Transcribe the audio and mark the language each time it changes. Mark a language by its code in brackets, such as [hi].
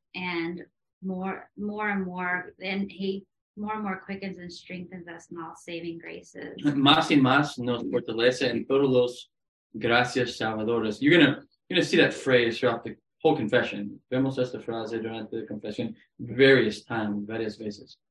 [en] And more and more quickens and strengthens us in all saving graces. [es] Más y más nos fortalece en todos los gracias salvadoras. [en] You're gonna see that phrase throughout the whole confession. [es] Vemos esta frase durante la confesión [en] various times, [es] varias veces.